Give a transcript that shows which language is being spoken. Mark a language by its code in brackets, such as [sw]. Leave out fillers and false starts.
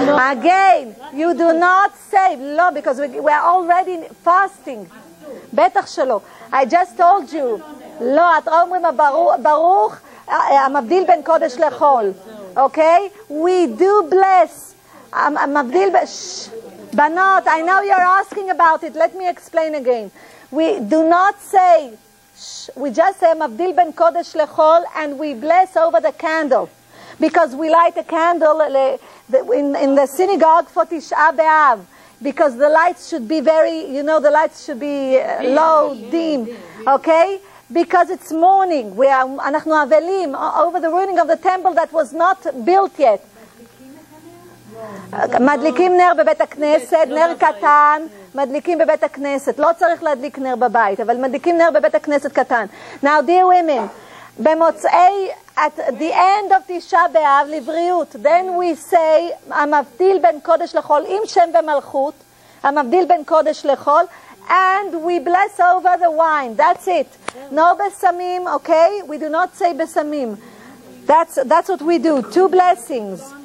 [en] Again, you do not say no because we are already fasting. [he] בטח שלא. [en] I just told you. [he] לא, את אומרים ברוך המבדיל בין קודש לחול. [en] Okay? We do bless. [he] המבדיל בנות, [en] I know you're asking about it. Let me explain again. We do not say. We just say [he] Mavdil ben Kodesh lechol, [en] and we bless over the candle, because we light a candle in the synagogue for Tisha B'Av, because the lights should be very, you know, the lights should be low, dim, okay? Because it's morning, we are [he] anachnu avelim [en] over the ruining of the temple that was not built yet. [he] מדליקים נר בבית הכנסת, נר קטן, מדליקים בבית הכנסת. לא צריך להדליק נר בבית, אבל מדליקים נר בבית הכנסת קטן. [en] Now, dear women, [he] במוצאי, [en] at the end of תשעה באב, [he] לבריאות, [en] then we say, [he] המבדיל בין קודש לחול, [en] עם שם ומלכות, המבדיל בין קודש לחול, and we bless over the wine. That's it. No בסמים, okay? We do not say בסמים. That's what we do. Two blessings.